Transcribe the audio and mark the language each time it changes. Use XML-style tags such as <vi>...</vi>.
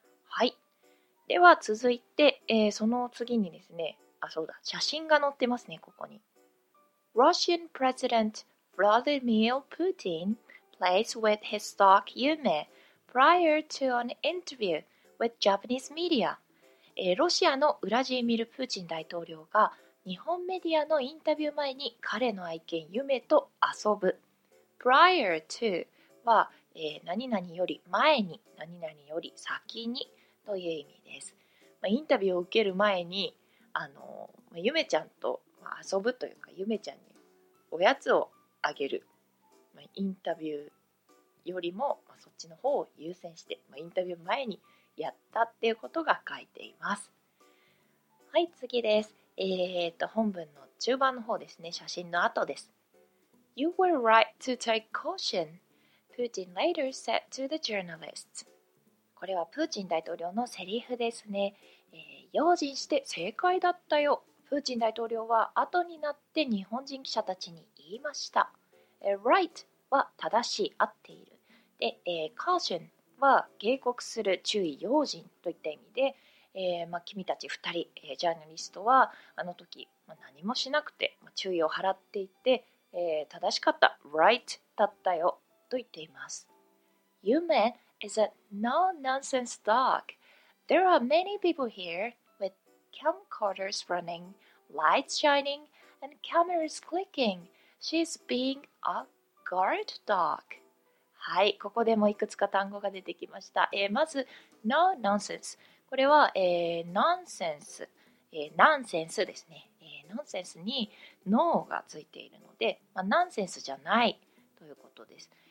<ja>はい、では続いて、その次にですね、あ、そうだ、写真が載ってますね、ここに。</ja> <en>Russian President Vladimir Putin plays with his dog Yume prior to an interview with Japanese media.</en> <ja>ロシアのウラジーミル・プーチン大統領が日本メディアのインタビュー前に彼の愛犬ユメと遊ぶ。 Prior to は、何々より前に、何々より先にという意味です。まあ、インタビューを受ける前にユメちゃんと遊ぶというか、ユメちゃんにおやつをあげる。まあ、インタビューよりも、まあ、そっちの方を優先して、まあ、インタビュー前にやったっていうことが書いています。はい、次です。本文の中盤の方ですね、写真の後です。</ja> <en>You were right to take caution, Putin later said to the journalists.</en> <ja>これはプーチン大統領のセリフですね。用心して正解だったよ。プーチン大統領は後になって日本人記者たちに言いました。 Right は正しい、合っている。で、caution は警告する、注意、用心といった意味で、まあ、君たち2人、ジャーナリストはあの時、まあ、何もしなくて、まあ、注意を払っていて、正しかった、right だったよと言っています。</ja> <en>Yume is a no-nonsense dog. There are many people here with camcorders running, lights shining, and cameras clicking. She's being a guard dog.</en> <ja>はい、ここでもいくつか単語が出てきました。まず、no-nonsense。これは、ナンセンス、ナンセンスですね。ナンセンスにノーがついているので、まあ、ナンセンスじゃないということです。</ja>